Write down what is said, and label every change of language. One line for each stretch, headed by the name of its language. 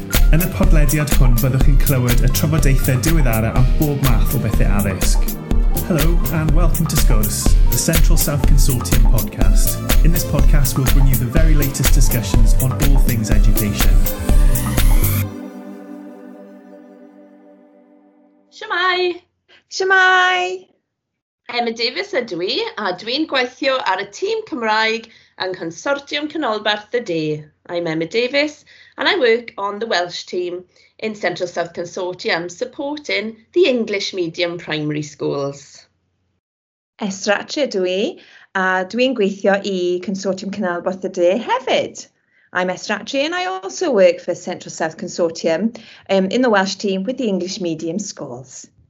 Welsh: Yn y podlediad hwn byddwch chi'n clywed y trafodaethau diweddara am bob math o bethau addysg.
English: Hello and welcome to Sgwrs, the Central South Consortium podcast. In this podcast we'll bring you the very latest discussions on all things education.
Welsh: Shemai! Shemai! Emma Davies ydw I, a dwi'n gweithio ar y tîm Cymraeg yng Nghonsortiwm Cynolbarth y De.
English: I'm Emma Davies, and I work on the Welsh team in Central South Consortium supporting the English medium primary schools.
Welsh: Esther Attree ydw I, a dwi'n gweithio I Consortiwm Cynolbarth y De hefyd.
English: I'm Esther Attree, and I also work for Central South Consortium in the Welsh team with the English medium schools.